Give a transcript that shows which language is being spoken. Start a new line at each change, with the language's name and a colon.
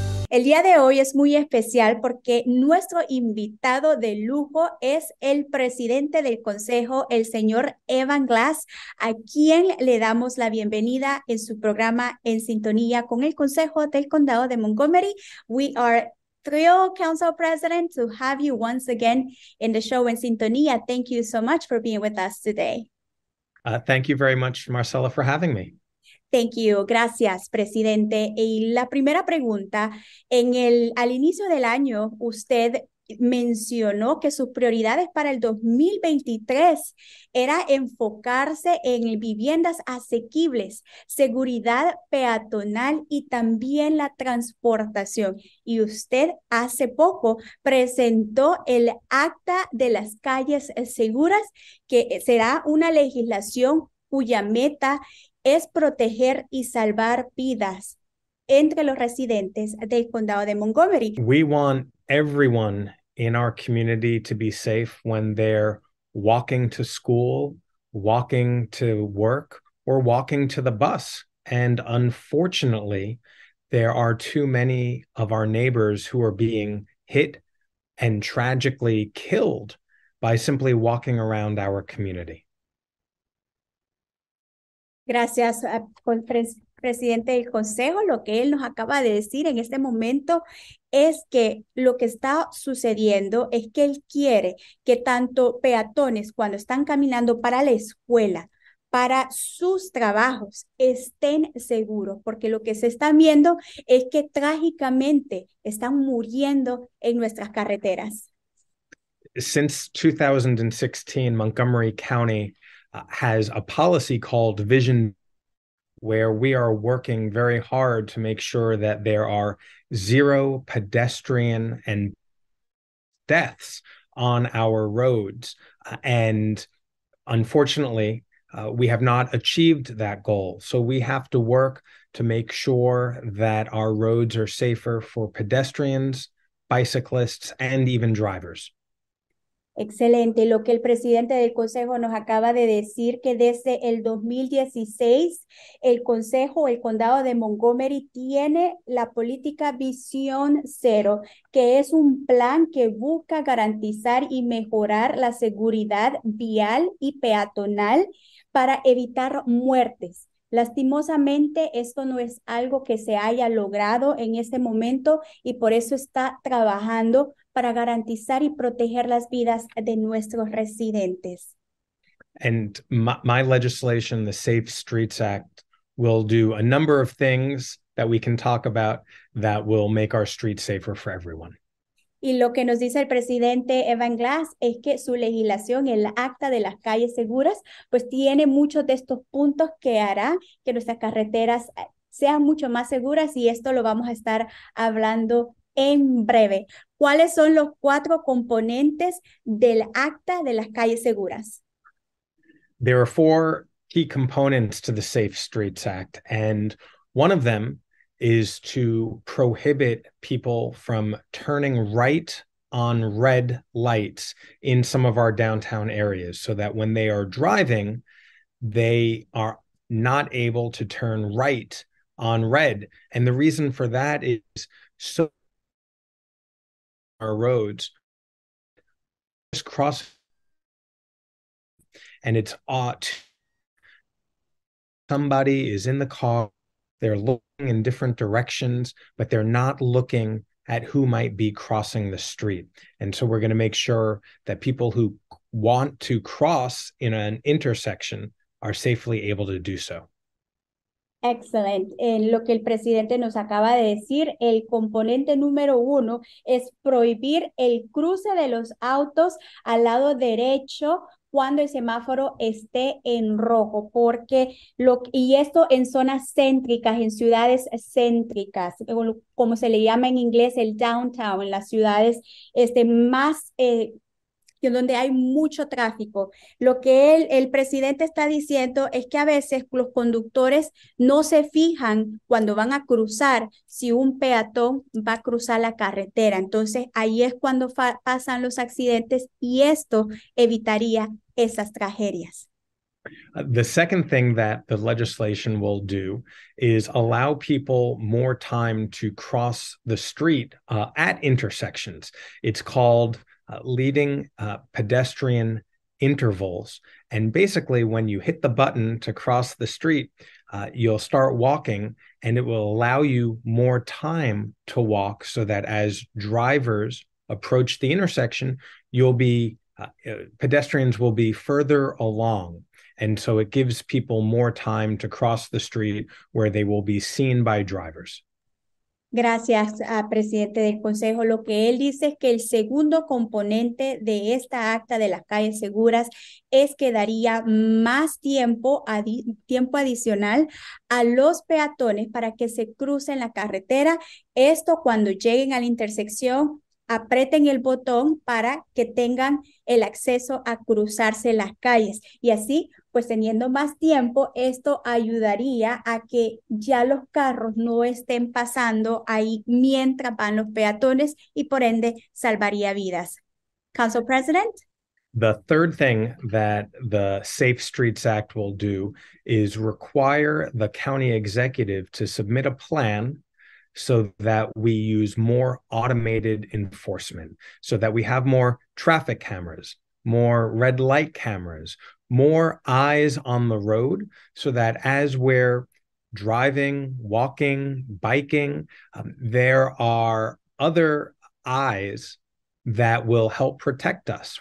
Spanish: El día de hoy es muy especial porque nuestro invitado de lujo es el presidente del consejo, el señor Evan Glass, a quien le damos la bienvenida en su programa En Sintonía con el Consejo del Condado de Montgomery.
English: We are thrilled, Council President, to have you once again in the show En Sintonía. Thank you so much for being with us today. Thank you very much, Marcela, for having me. Thank you.
Spanish: Gracias, presidente. Y la primera pregunta, al inicio del año, usted mencionó que sus prioridades para el 2023 era enfocarse en viviendas asequibles, seguridad peatonal y también la transportación. Y usted hace poco presentó el acta de las calles seguras, que será una legislación cuya meta es proteger y salvar vidas entre los residentes del condado de Montgomery.
English: We want everyone in our community to be safe when they're walking to school, walking to work, or walking to the bus. And unfortunately, there are too many of our neighbors who are being hit and tragically killed by simply walking around our community.
Spanish: Gracias, presidente del consejo. Lo que él nos acaba de decir en este momento es que lo que está sucediendo es que él quiere que tanto peatones cuando están caminando para la escuela, para sus trabajos, estén seguros, porque lo que se está viendo es que trágicamente están muriendo en nuestras carreteras.
English: Since 2016, Montgomery County has a policy called Vision, where we are working very hard to make sure that there are zero pedestrian and deaths on our roads. And unfortunately, we have not achieved that goal. So we have to work to make sure that our roads are safer for pedestrians, bicyclists, and even drivers.
Spanish: Excelente. Lo que el presidente del consejo nos acaba de decir, que desde el 2016, el consejo, el condado de Montgomery, tiene la política Visión Cero, que es un plan que busca garantizar y mejorar la seguridad vial y peatonal para evitar muertes. Lastimosamente, esto no es algo que se haya logrado en este momento y por eso está trabajando para garantizar y proteger las vidas de nuestros residentes.
English: And my legislation, the Safe Streets Act, will do a number of things that we can talk about that will make our streets safer for everyone.
Spanish: Y lo que nos dice el presidente Evan Glass es que su legislación, el acta de las calles seguras, pues tiene muchos de estos puntos que hará que nuestras carreteras sean mucho más seguras, y esto lo vamos a estar hablando en breve. ¿Cuáles son los cuatro componentes del acta de las calles seguras?
English: There are four key components to the Safe Streets Act, and one of them is to prohibit people from turning right on red lights in some of our downtown areas so that when they are driving, they are not able to turn right on red. And the reason for that is so our roads just cross and it's ought somebody is in the car. They're looking in different directions, but they're not looking at who might be crossing the street. And so we're going to make sure that people who want to cross in an intersection are safely able to do so. Excellent.
Spanish: En lo que el presidente nos acaba de decir, el componente número uno es prohibir el cruce de los autos al lado derecho cuando el semáforo esté en rojo, porque y esto en zonas céntricas, en ciudades céntricas, como se le llama en inglés el downtown, en las ciudades más donde hay mucho tráfico. Lo que el presidente está diciendo es que a veces los conductores no se fijan cuando van a cruzar si un peatón va a cruzar la carretera. Entonces, ahí es cuando pasan los accidentes y esto evitaría esas tragedias.
English: The second thing that the legislation will do is allow people more time to cross the street at intersections. It's called leading pedestrian intervals. And basically, when you hit the button to cross the street, you'll start walking, and it will allow you more time to walk so that as drivers approach the intersection, you'll be pedestrians will be further along. And so it gives people more time to cross the street where they will be seen by drivers.
Spanish: Gracias, presidente del consejo. Lo que él dice es que el segundo componente de esta acta de las calles seguras es que daría más tiempo, tiempo adicional a los peatones para que se crucen la carretera. Esto cuando lleguen a la intersección, apreten el botón para que tengan el acceso a cruzarse las calles. Y así, pues teniendo más tiempo, esto ayudaría a que ya los carros no estén pasando ahí mientras van los peatones y por ende salvaría vidas.
English: Council President. The third thing that the Safe Streets Act will do is require the county executive to submit a plan so that we use more automated enforcement, so that we have more traffic cameras, more red light cameras, more eyes on the road, so that as we're driving, walking, biking, there are other eyes that will help protect us.